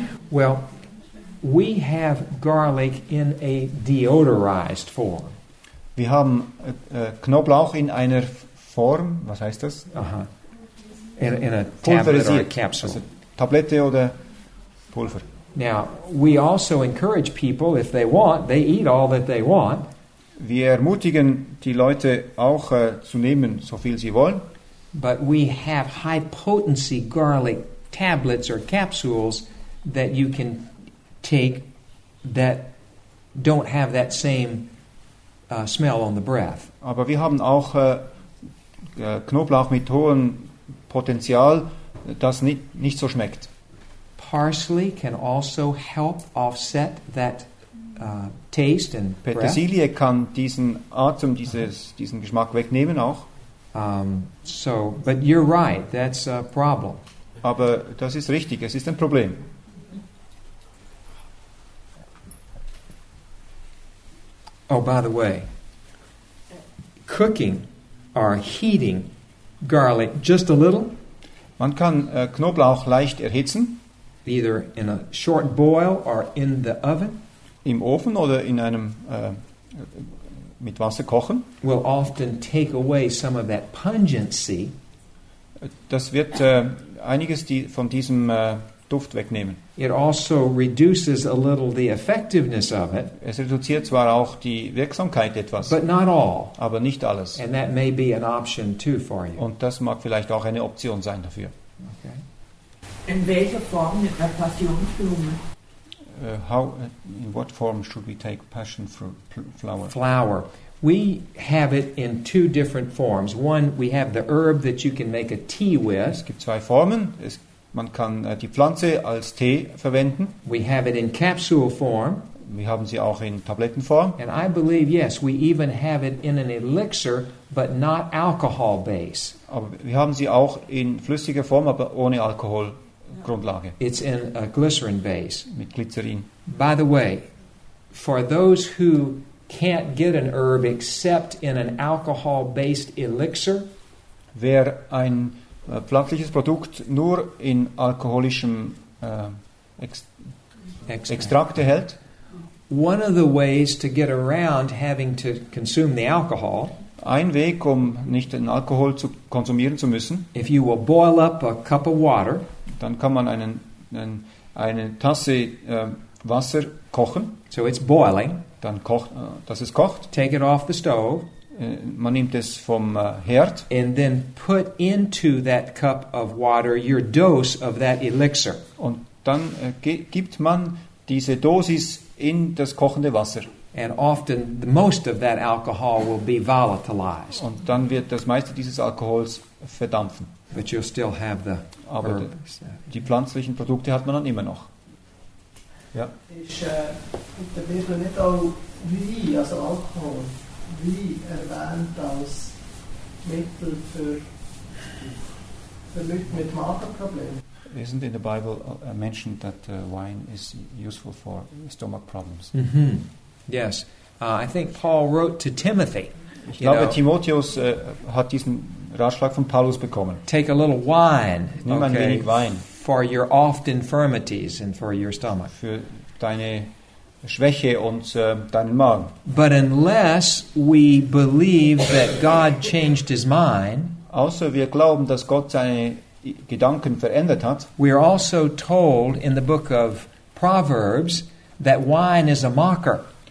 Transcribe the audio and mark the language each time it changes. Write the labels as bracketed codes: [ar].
[en] Well, we have garlic in a deodorized form. We have [de] Knoblauch in einer Form, was heißt das? [en] In a tablet or a capsule. Also, [de] Tablette oder Pulver. [en] Now, we also encourage people, if they want, they eat all that they want. [de] Wir ermutigen die Leute auch zu nehmen, so viel sie wollen. [en] But we have high potency garlic tablets or capsules that you can take that don't have that same smell on the breath. [de] Aber wir haben auch Knoblauch mit hohem Potenzial, das nicht so schmeckt. [en] Parsley can also help offset that taste and breath. [de] Petersilie kann diesen Atem, diesen Geschmack wegnehmen auch. [en] So, but you're right, that's a problem. [de] Aber das ist richtig, es ist ein Problem. [en] Oh, by the way, cooking or heating garlic just a little. [de] Man kann Knoblauch leicht erhitzen. [en] Either in a short boil or in the oven. [de] Im Ofen oder in einem mit Wasser kochen. [en] Will often take away some of that pungency. [de] Das wird einiges von diesem Duft wegnehmen. [en] It also reduces a little the effectiveness of it. [de] Es reduziert zwar auch die Wirksamkeit etwas. [en] But not all. [de] Aber nicht alles. [en] And that may be an option too for you. [de] Und das mag vielleicht auch eine Option sein dafür. [en] Okay. [de] In welcher Form nimmt man Passionsblume? [en] In what form should we take passion fruit flower? Flower. We have it in two different forms. One, we have the herb that you can make a tea with. [de] Es gibt zwei Formen. Man kann die Pflanze als Tee verwenden. [en] We have it in capsule form. [de] Wir haben sie auch in Tablettenform. [en] And I believe, yes, we even have it in an elixir, but not alcohol base. [de] Aber wir haben sie auch in flüssiger Form, aber ohne Alkohol. Grundlage. [en] It's in a glycerin base. [de] Mit Glycerin. [en] By the way, for those who can't get an herb except in an alcohol-based elixir, [de] wer ein pflanzliches Produkt nur in alkoholischem Extrakt erhält, [en] one of the ways to get around having to consume the alcohol. [de] Ein Weg, um nicht den Alkohol zu konsumieren zu müssen. [en] If you will boil up a cup of water. [de] Dann kann man eine Tasse Wasser kochen. [en] So it's boiling. [de] Dann kocht, dass es kocht. [en] Take it off the stove. [de] Man nimmt es vom Herd. [en] And then put into that cup of water your dose of that elixir. [de] Und dann gibt man diese Dosis in das kochende Wasser. [en] And often the most of that alcohol will be volatilized. [de] Und dann wird das meiste dieses Alkohols verdampfen. [en] But you'll still have the [de] aber [en] herb. [de] Die pflanzlichen Produkte hat man dann immer noch. Ja. Ist der Bibel nicht auch wie, also Alkohol, wie erwähnt als Mittel für Leute mit Magenproblemen? [en] Isn't in the Bible mentioned that wine is useful for stomach problems? Mm-hmm. Yes. I think Paul wrote to Timothy. [de] Ich glaube, Timotheus hat diesen Ratschlag von Paulus bekommen. [en] Take a little wine. [de] Nimm ein wenig Wein. [en] For your oft infirmities and for your stomach. [de] Für deine Schwäche und deinen Magen. [en] But unless we believe that God changed his mind, [de] außer wir glauben, dass Gott seine Gedanken verändert hat, [en] we are also told in the book of Proverbs that wine is a mocker.